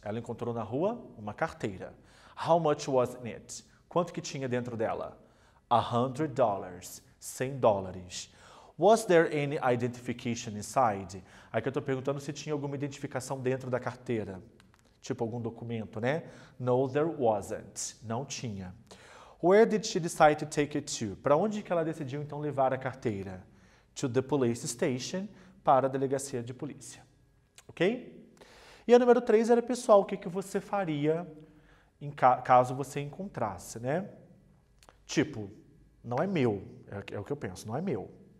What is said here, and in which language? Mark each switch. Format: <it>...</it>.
<pt>Ela encontrou na rua uma carteira.</pt> <en>How much was in it?</en> <pt>Quanto que tinha dentro dela? $100. 100 dólares.</pt> <en>Was there any identification inside?</en> <pt>Aqui eu estou perguntando se tinha alguma identificação dentro da carteira. Tipo algum documento, né?</pt> <en>No, there wasn't.</en> <pt>Não tinha.</pt> <en>Where did she decide to take it to?</en> <pt>Para onde que ela decidiu então levar a carteira?</pt> <en>To the police station.</en> <pt>Para a delegacia de polícia. Ok? E a número 3 era, pessoal, o que você faria em caso você encontrasse, né? Tipo, não é meu. É o que eu penso, não é meu.</pt>